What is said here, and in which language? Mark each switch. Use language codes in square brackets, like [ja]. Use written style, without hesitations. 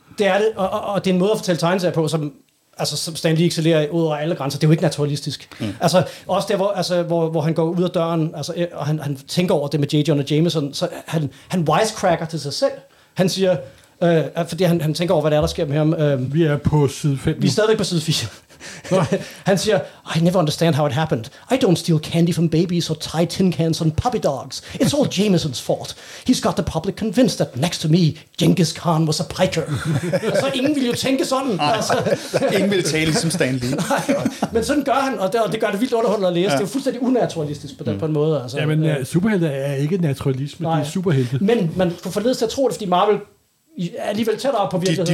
[da] Det er det, og det er en måde at fortælle tegneserier på, som Stan Lee excellerer ud over alle grænser. Det er jo ikke naturalistisk. Mm. Altså, også der, hvor han går ud af døren, og han tænker over det med J. Jonah Jameson, så han wisecracker til sig selv. Han siger, fordi han tænker over, hvad der sker med ham. Vi er på side 5. Vi er stadigvæk på side 4. [en] Han siger, I never understand how it happened. I don't steal candy from babies or tie tin cans on puppy dogs. It's all Jameson's fault. He's got the public convinced that next to me, Genghis Khan was a piker. [da] Så ingen ville jo tænke sådan. Ingen ville tale ligesom Stan Lee. Men sådan gør han, og det gør det vildt underholdende at læse. Ja. Det er jo fuldstændig unaturalistisk på en måde. Altså. Ja, men superhelte er ikke naturalisme, nej. Det er superhelte. Men man får forledes til at tro det, fordi Marvel er alligevel tættere på virkeligheden.